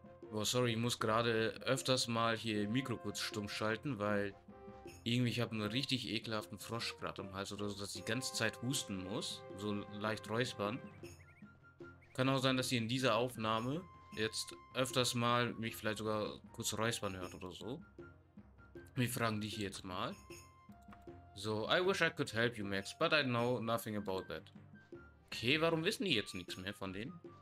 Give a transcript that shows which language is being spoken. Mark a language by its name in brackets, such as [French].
[German] Oh, sorry, ich muss gerade öfters mal hier Mikro kurz stumm schalten, weil irgendwie ich habe einen richtig ekelhaften Frosch gerade am Hals oder so, dass ich die ganze Zeit husten muss, so leicht räuspern. Kann auch sein, dass ihr in dieser Aufnahme jetzt öfters mal mich vielleicht sogar kurz räuspern hört oder so. Wir fragen dich jetzt mal. [English] So, I wish I could help you, Max, but I know nothing about that. [German] Okay, warum wissen die jetzt nichts mehr von denen?